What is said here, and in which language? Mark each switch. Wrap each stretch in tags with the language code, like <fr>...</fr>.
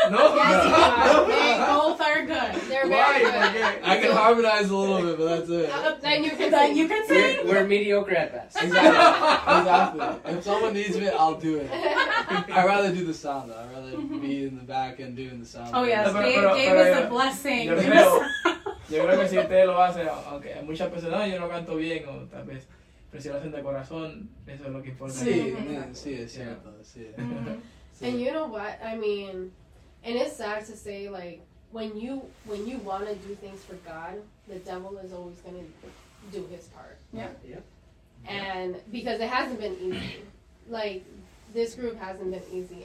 <en>both are good. They're very good. I can harmonize a little bit, but that's it. Then you can sing. We're mediocre at best. Exactly. If someone needs me, I'll do it. I'd rather do the sound, though. I'd rather be in the back and doing the sound. Oh, yes. Dave is a blessing.</en> <es>Yo creo que si usted lo hace, aunque hay muchas personas, yo no canto bien, o tal vez, pero si lo hacen de corazón, eso es lo que importa. Sí, sí, es cierto.</es> <en>And you know what? I mean, and it's sad to say, like, when you want to do things for God, the devil is always going to do his part. Yeah. Yeah. And because it hasn't been easy, like, this group hasn't been easy.</en>